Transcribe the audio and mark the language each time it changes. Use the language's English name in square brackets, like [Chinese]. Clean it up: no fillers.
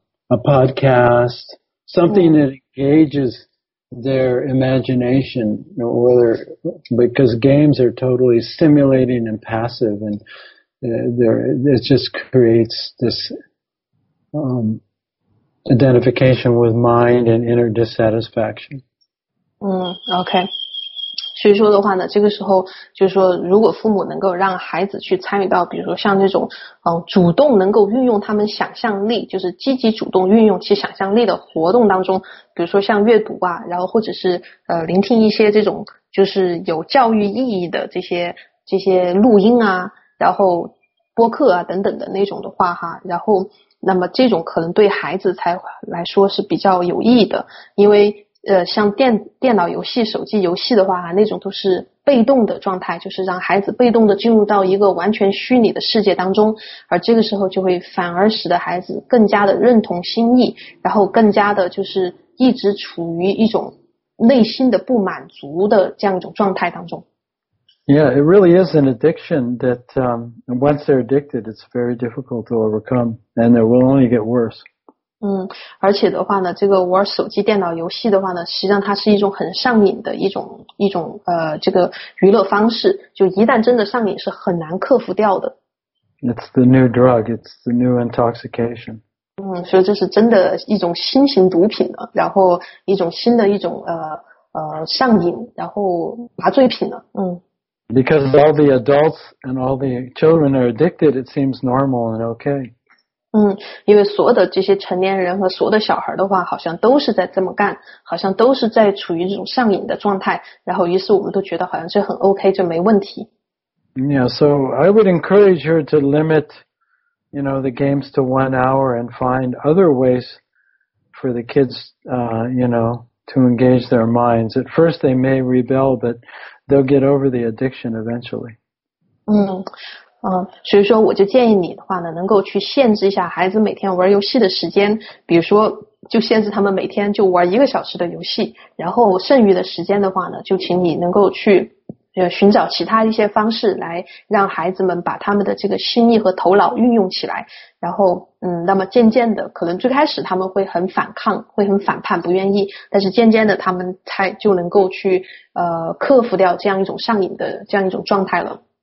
[English] a podcast, something that engages their imagination, you know, whether because games are totally stimulating and passive, and it just creates this identification with mind and inner dissatisfaction. Okay. [Chinese] 所以说的话呢，这个时候就是说，如果父母能够让孩子去参与到，比如说像这种，主动能够运用他们想象力，就是积极主动运用其想象力的活动当中，比如说像阅读啊，然后或者是聆听一些这种就是有教育意义的这些录音啊，然后播客啊等等的那种的话哈，然后那么这种可能对孩子才来说是比较有意义的，因为。像电脑游戏、手机游戏的话，那种都是被动的状态，就是让孩子被动的进入到一个完全虚拟的世界当中，而这个时候就会反而使得孩子更加的认同心意，然后更加的就是一直处于一种内心的不满足的这样一种状态当中。 [English] Yeah, it really is an addiction that once they're addicted, it's very difficult to overcome, and it will only get worse. [Chinese] 而且的话呢，这个玩手机电脑游戏的话呢，实际上它是一种很上瘾的一种这个娱乐方式，就一旦真的上瘾是很难克服掉的。 [English] It's the new drug, it's the new intoxication. [Chinese] 所以这是真的一种新型毒品了，然后一种新的一种上瘾，然后麻醉品了。 [English] Because all the adults and all the children are addicted, it seems normal and okay. [Chinese] 因为所有的这些成年人和所有的小孩的话好像都是在这么干，好像都是在处于这种上瘾的状态，然后于是我们都觉得好像这很 OK, 就没问题。 [English] Yeah, so I would encourage her to limit, you know, the games to 1 hour and find other ways for the kids, you know, to engage their minds. At first they may rebel, but they'll get over the addiction eventually. [Chinese] 所以说我就建议你的话呢，能够去限制一下孩子每天玩游戏的时间，比如说就限制他们每天就玩一个小时的游戏，然后剩余的时间的话呢，就请你能够去寻找其他一些方式来让孩子们把他们的这个心意和头脑运用起来，然后那么渐渐的可能最开始他们会很反抗，会很反叛，不愿意，但是渐渐的他们才就能够去克服掉这样一种上瘾的这样一种状态了。